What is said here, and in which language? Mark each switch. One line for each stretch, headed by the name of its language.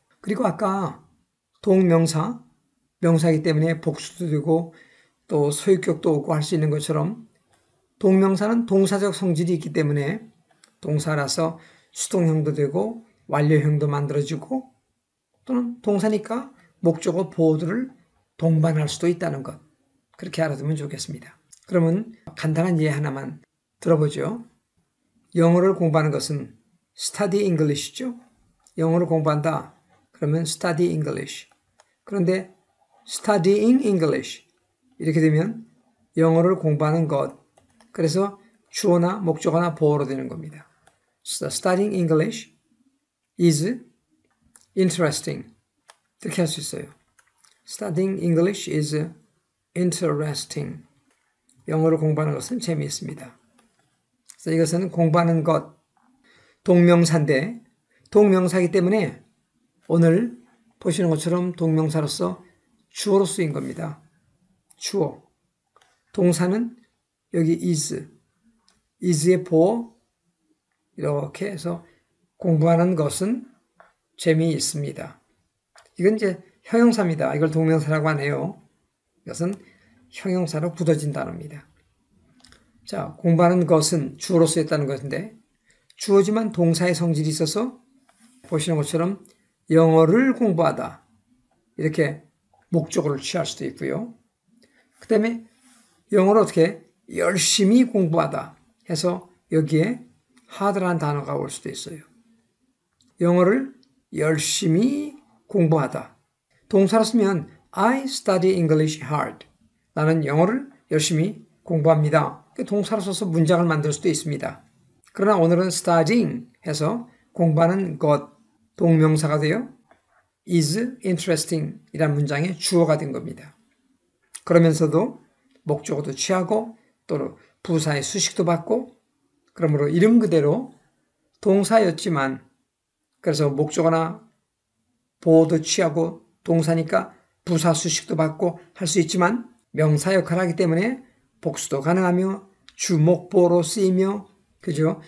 Korean: 그리고 아까 동명사, 명사이기 때문에 복수도 되고 또 소유격도 오고 할수 있는 것처럼, 동명사는 동사적 성질이 있기 때문에 동사라서 수동형도 되고 완료형도 만들어지고, 또는 동사니까 목적어 보호들을 동반할 수도 있다는 것, 그렇게 알아두면 좋겠습니다. 그러면 간단한 예 하나만 들어보죠. 영어를 공부하는 것은
English: study English
Korean: 죠? 영어를 공부한다. 그러면
English: study English.
Korean: 그런데
English: studying English.
Korean: 이렇게 되면 영어를 공부하는 것. 그래서 주어나 목적어나 보어로 되는 겁니다.
English: So studying English is interesting.
Korean: 이렇게 할수 있어요.
English: Studying English is interesting.
Korean: 영어를 공부하는 것은 재미있습니다. So 이것은 공부하는 것. 동명사인데 동명사이기 때문에 오늘 보시는 것처럼 동명사로서 주어로 쓰인 겁니다. 주어. 동사는 여기 is. is의 보어. 이렇게 해서 공부하는 것은 재미있습니다. 이건 이제 형용사입니다. 이걸 동명사라고 하네요. 이것은 형용사로 굳어진 단어입니다. 자, 공부하는 것은 주어로 쓰였다는 것인데 주어지만 동사의 성질이 있어서 보시는 것처럼 영어를 공부하다 이렇게 목적어를 취할 수도 있고요. 그 다음에 영어를 어떻게 열심히 공부하다 해서 여기에 hard라는 단어가 올 수도 있어요. 영어를 열심히 공부하다. 동사로 쓰면
English: I study English hard.
Korean: 나는 영어를 열심히 공부합니다. 동사로 써서 문장을 만들 수도 있습니다. 그러나 오늘은 studying 해서 공부하는 것, 동명사가 되어
English: is interesting
Korean: 이란 문장의 주어가 된 겁니다. 그러면서도 목적어도 취하고 또 부사의 수식도 받고 그러므로 이름 그대로 동사였지만 그래서 목적어나 보어도 취하고 동사니까 부사 수식도 받고 할 수 있지만 명사 역할을 하기 때문에 복수도 가능하며 주목보로 쓰이며 그죠?